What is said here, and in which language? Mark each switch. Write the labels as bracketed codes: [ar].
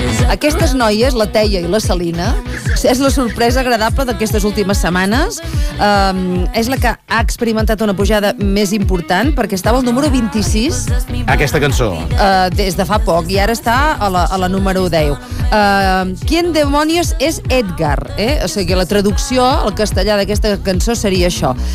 [ca] Aquestes noies, la Teia i la Salina, és la sorpresa agradable d'aquestes últimes setmanes. És la que ha experimentat una pujada més important, perquè estava al número 26. Aquesta cançó. Des de fa poc, i ara està a la número 10. [es] ¿Quién demonios es Edgar? [ca] O sigui, la traducció al castellà d'aquesta cançó seria això.